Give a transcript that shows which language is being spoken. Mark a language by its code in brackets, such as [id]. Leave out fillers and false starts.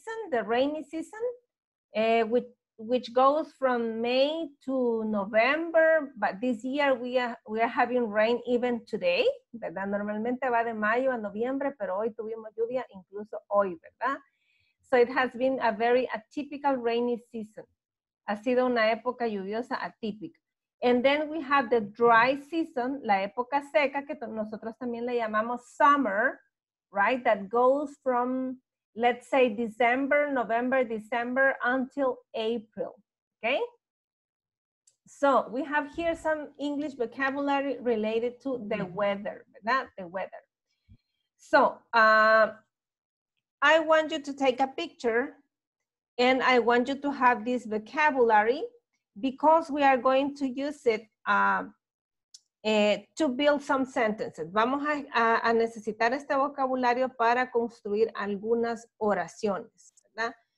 [en] The rainy season, which goes from May to November, but this year we are having rain even today, ¿verdad? [es] Normalmente va de mayo a noviembre, pero hoy tuvimos lluvia incluso hoy, ¿verdad? [en] So it has been a very atypical rainy season. [es] Ha sido una época lluviosa atípica. [en] And then we have the dry season, [es] la época seca, que nosotros también le llamamos summer, right? [en] That goes from... let's say December, November, December until April, okay? So we have here some English vocabulary related to the weather, not the weather. So I want you to take a picture and I want you to have this vocabulary because we are going to use it to build some sentences. [es] Vamos a necesitar este vocabulario para construir algunas oraciones, ¿verdad?